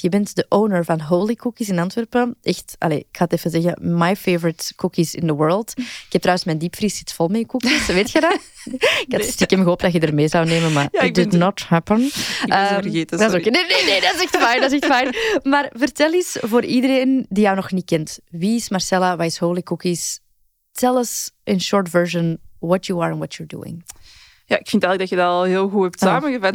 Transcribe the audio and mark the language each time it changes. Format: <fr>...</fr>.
<nl>Je bent de owner van Holy Cookies in Antwerpen. Echt, ik ga het even zeggen,</nl> <en>my favorite cookies in the world.</en> <nl>Ik heb trouwens mijn diepvries zit vol met cookies, weet je dat? Ik had stiekem gehoopt dat je er mee zou nemen, maar ja,</nl> <en>it did not happen.</en> <nl>Ik ben ze vergeten, sorry. Nee, dat is echt fijn, dat is echt fijn. Maar vertel eens voor iedereen die jou nog niet kent. Wie is Marcella, wat is Holy Cookies?</nl> <en>Tell us in short version what you are and what you're doing.</en> <nl>Ja, ik vind eigenlijk dat je dat al heel goed hebt samengevat.</nl>